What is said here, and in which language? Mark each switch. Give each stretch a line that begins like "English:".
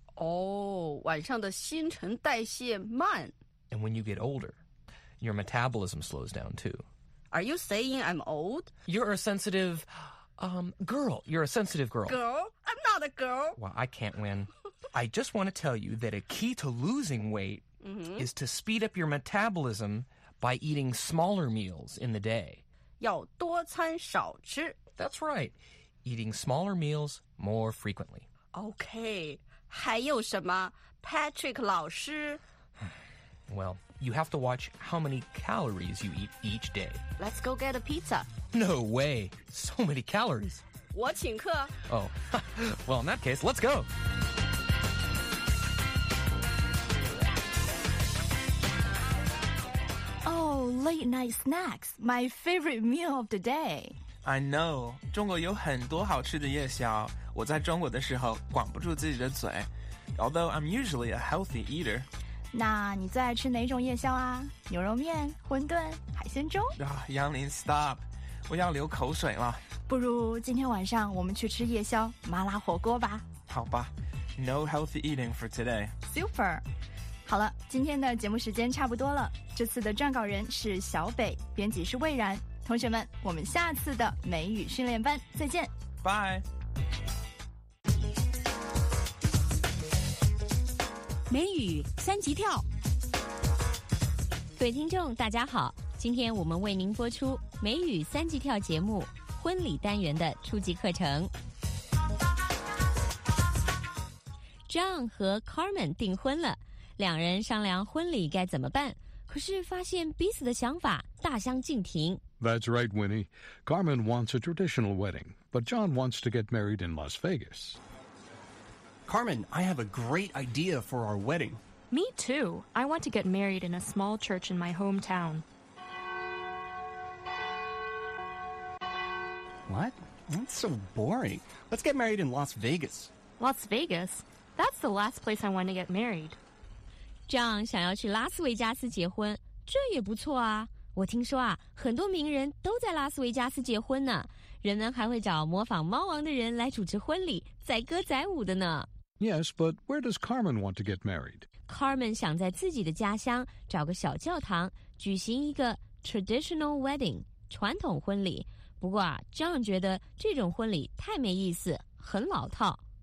Chinese: Oh, 晚上的新陈代谢慢。
English: And when you get older, your metabolism slows down too. Are you saying I'm old? You're a sensitive, girl. You're a sensitive girl. Girl? I'm not a girl. Well, I can't win. I just want to tell you that a key to losing weight is to speed up your metabolism by eating smaller meals in the day.
Chinese: 要多餐少吃。
English: That's right. Eating smaller meals more frequently. Okay.
Chinese: 还有什么 Patrick 老师。
English: Well... You have to watch how many calories you eat each day. Let's go get a pizza. No way. So many calories.
Chinese: 我请客。
English: Oh, well, in that case, let's go. Oh, late night snacks. My favorite meal of the day. I know.
Chinese: 中国有很多好吃的夜宵。我在中国的时候管不住自己的嘴。
English: Although I'm usually a healthy eater.
Chinese: 那你最爱吃哪种夜宵啊？牛肉面、馄饨、海鲜粥？啊，杨林 ，stop， 我要流口水了。不如今天晚上我们去吃夜宵，麻辣火锅吧。好吧
English: ，no healthy eating for today。 Super。
Chinese: 好了，今天的节目时间差不多了。这次的撰稿人是小北，编辑是魏然，同学们，我们下次的美语训练班再见。 Bye。美语三级跳。各位听众，大家好，今天我们为您播出美语三级跳节目婚礼单元的初级课程。 John 和 Carmen 订婚了，两人商量婚礼该怎么办，可是发现彼此的想法大相径庭。
English: That's right, Winnie. Carmen wants a traditional wedding, but John wants to get married in Las Vegas. Carmen, I have a great idea for our wedding. Me too. I want to get married in a small church in my hometown. What? That's so boring. Let's get married in Las Vegas. Las Vegas? That's the last place I want to get married.
Chinese: John 想要去拉斯维加斯结婚，这也不错啊。我听说啊，很多名人都在拉斯维加斯结婚呢，人们还会找模仿猫王的人来主持婚礼，载歌载舞的呢。
English: Yes, but where does Carmen want to get married?
Chinese: Carmen 想在自己的家乡找个小教堂，举行一个
English: traditional wedding,
Chinese: 传统婚礼。不过啊 ,John 觉得这种婚礼太没意思，很老套。